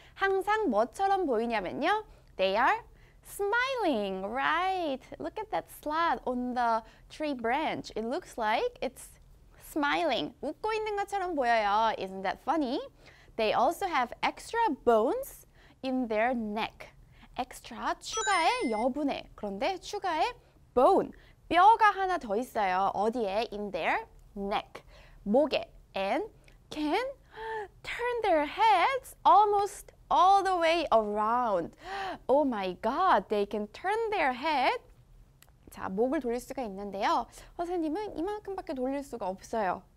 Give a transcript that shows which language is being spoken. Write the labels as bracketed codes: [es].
[ko] 항상 뭐처럼 보이냐면요. [en] They are smiling, right? Look at that sloth on the tree branch. It looks like it's smiling. [ko] 웃고 있는 것처럼 보여요. [en] Isn't that funny? They also have extra bones in their neck. [ko] Extra, 추가에 여분에. 그런데 추가에 bone, 뼈가 하나 더 있어요. 어디에? [en] In their neck, [ko] 목에. [en] And can turn their heads almost all the way around. Oh my god, they can turn their head. [ko] 자, 목을 돌릴 수가 있는데요. 선생님은 이만큼밖에 돌릴 수가 없어요.